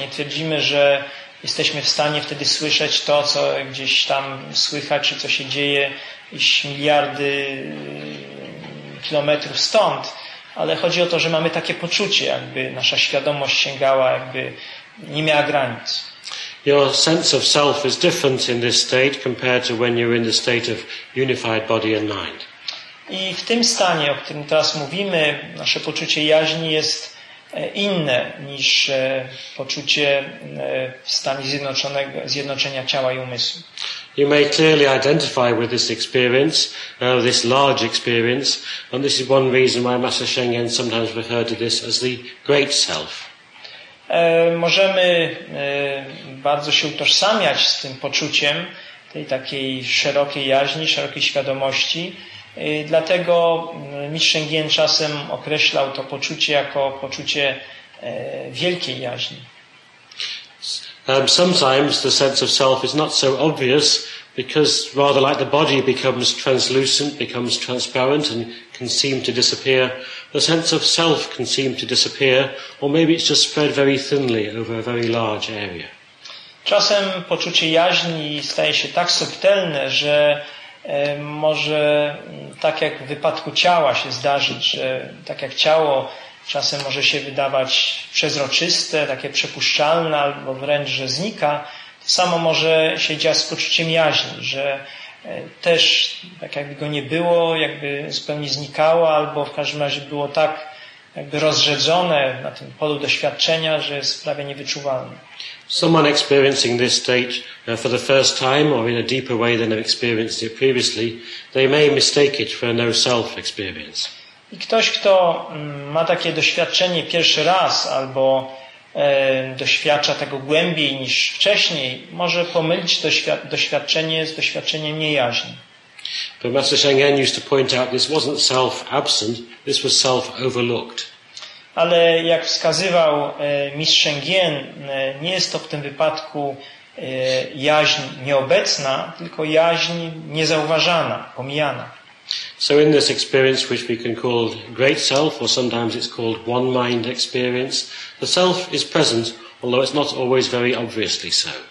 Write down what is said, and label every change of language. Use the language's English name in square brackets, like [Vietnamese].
[Polish] Nie twierdzimy, że jesteśmy w stanie wtedy słyszeć to, co gdzieś tam słychać, czy co się dzieje iż miliardy kilometrów stąd. Ale chodzi o to, że mamy takie poczucie, jakby nasza świadomość sięgała, jakby nie miała granic. [English] Your sense of self is different in this state compared to when you're in the state of unified body and mind. [Polish] I w tym stanie, o którym teraz mówimy, nasze poczucie jaźni jest inne niż poczucie w stanie zjednoczonego, zjednoczenia ciała i umysłu. [English] You may clearly identify with this experience, this large experience, and this is one reason why Master Shengen sometimes referred to this as the great self. [Polish] Możemy bardzo się utożsamiać z tym poczuciem tej takiej szerokiej jaźni, szerokiej świadomości. Dlatego Mistrz Shengen czasem określał to poczucie jako poczucie wielkiej jaźni. [English] Sometimes the sense of self is not so obvious because rather like the body becomes translucent, becomes transparent and can seem to disappear. The sense of self can seem to disappear or maybe it's just spread very thinly over a very large area. [Polish] Czasem poczucie jaźni staje się tak subtelne, że może tak jak w wypadku ciała się zdarzyć, że tak jak ciało czasem może się wydawać przezroczyste, takie przepuszczalne, albo wręcz, że znika, to samo może się dziać z poczuciem jaźni, że też tak jakby go nie było, jakby zupełnie znikało, albo w każdym razie było tak jakby rozrzedzone na tym polu doświadczenia, że jest prawie niewyczuwalne. [English] Someone experiencing this state for the first time or in a deeper way than they've experienced it previously, they may mistake it for a no-self experience. [Polish] I ktoś, kto ma takie doświadczenie pierwszy raz albo doświadcza tego głębiej niż wcześniej, może pomylić doświadczenie z doświadczeniem niejaźni. [English] But Master Shengen used to point out this wasn't self-absent, this was self-overlooked. [Polish] Ale jak wskazywał Mistrz Shengen, nie jest to w tym wypadku jaźń nieobecna, tylko jaźń niezauważana, pomijana. [English] So in this experience, which we can call great self, or sometimes it's called one mind experience, the self is present, although it's not always very obviously so.